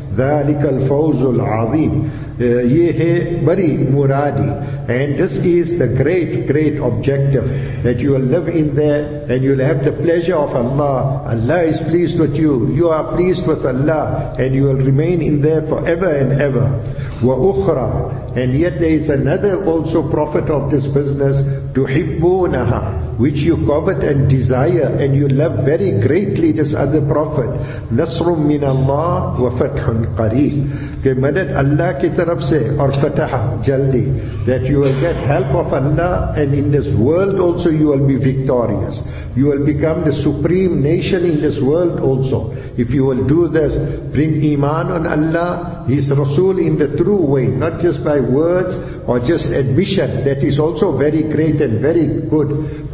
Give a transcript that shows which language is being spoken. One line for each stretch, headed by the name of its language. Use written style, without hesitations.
Arabic: ذَلِكَ الْفَوْزُ الْعَظِيمُ,
Urdu: یہ ہے بری مرادی.
English: And this is the great, great objective, that you will live in there and you will have the pleasure of Allah. Allah is pleased with you. You are pleased with Allah and you will remain in there forever and ever.
Arabic: وَأُخْرَى,
English: and yet there is another also prophet of this business,
Arabic: تُحِبُّونَهَا,
English: which you covet and desire and you love very greatly this other prophet.
Arabic: نَصْرٌ مِّنَ اللَّهِ وَفَتْحٌ قَرِيبٌ,
Urdu: کہ مدد اللہ کی طرف سے اور فتح جلدی.
English: That you will get help of Allah and in this world also you will be victorious. You will become the supreme nation in this world also. If you will do this, bring iman on Allah, His Rasul in the true way, not just by words or just admission, that is also very great and very good.